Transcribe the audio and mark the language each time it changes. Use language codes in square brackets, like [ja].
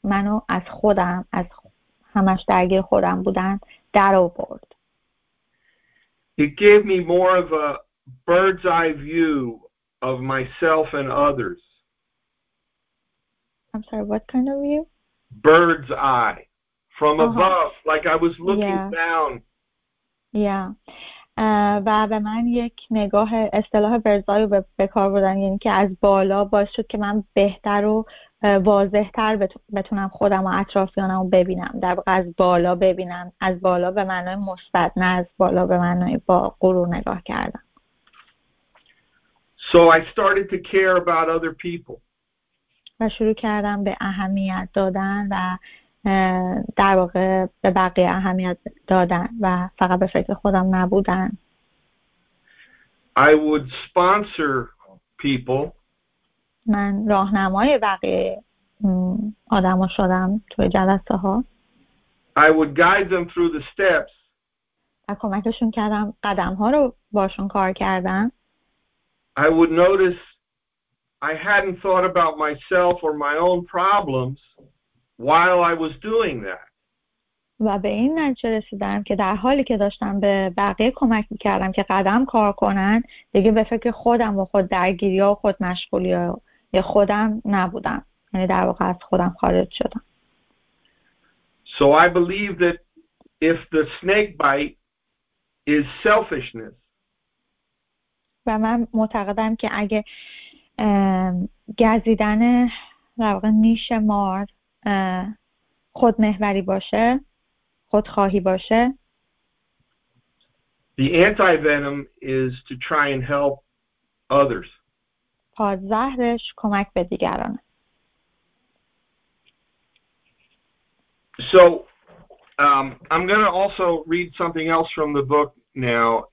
[fa] منو از خودم، از همش درگیر خودم بودن در آورد. [en] It gave me more of a bird's eye view of myself and others. I'm sorry, what kind of view? Bird's eye. From above, like I was looking down. Yeah. [fa] و به من یک نگاه اصطلاح برزای رو به کار بردن، یعنی که از بالا باعث شد که من بهتر و واضح‌تر بتونم خودم و اطرافیانم رو ببینم، در واقع از بالا ببینم، از بالا به معنای مثبت، نه از بالا به معنای با غرور نگاه کردم. [en] So I started to care about other people. [fa] و شروع کردم به اهمیت دادن و در واقع به بقیه اهمیت دادن و فقط به فکر خودم نبودن. [en] I would sponsor people. [fa] من راهنمای بقیه آدما شدم توی جلسه ها. [en] I would guide them through the steps. [fa] و کمکشون کردم، قدم ها رو باشون کار کردم. [en] I would notice I hadn't thought about myself or my own problems while I was doing that. [fa] و به این نتیجه رسیدم که در حالی که داشتم به بقیه کمک میکردم که قدم کار کنن، دیگه به فکر خودم و خود درگیری ها و خود مشغولی ها یا خودم نبودم، یعنی در واقع از خودم خارج شدم. [en] So I believe that if the snake bite is selfishness. [fa] و من معتقدم که اگه گزیدن در واقع نیش مار خودمحوری باشه، خودخواهی باشه، [en] the anti-venom is to try and help others. [fa] پادزهرش کمک به دیگرانه. [en] So I'm going to also read something else from the book now.